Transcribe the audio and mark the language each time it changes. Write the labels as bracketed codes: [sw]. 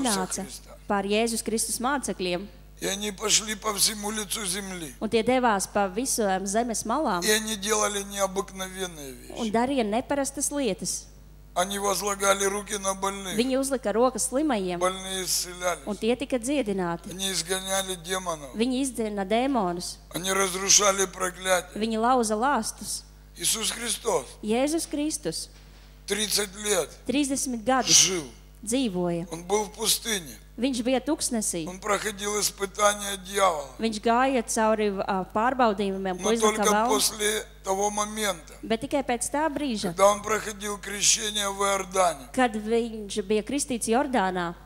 [lv] Nonāca pār Jēzus Kristus mācekļiem. [ru] И они пошли по всему лицу земли. [lv] Un tie devās pa visām zemes malām. [ru] И они делали необыкновенные вещи. [lv] Un darīja neparastas lietas. [ru] Они возлагали руки на больных. [lv] Viņi uzlika rokas slimajiem. [ru] Больные исцелялись. [lv] Un tie tika dziedināti. [ru] Они изгоняли демонов. [lv] Viņi izdzēna dēmonus. [ru] Они разрушали проклятия. [lv] Viņi lauza lāstus. [ru] Иисус Христос. [lv] Jēzus Kristus. [ru] 30 лет. [lv] 30 gadus. [ru] Жил. [lv] Dzīvoja. [ru] Он был в пустыне. [lv] Viņš bija tuksnesī. [ru] Он проходил испытания дьявола. [lv] Viņš gāja cauri pārbaudījumiem, ko izlika vēl. [ru] Но после того момента. [lv] Bet tikai pēc tā brīža. [ru] Когда он проходил крещение в Иордане. [lv] Kad viņš bija kristīts Jordānā.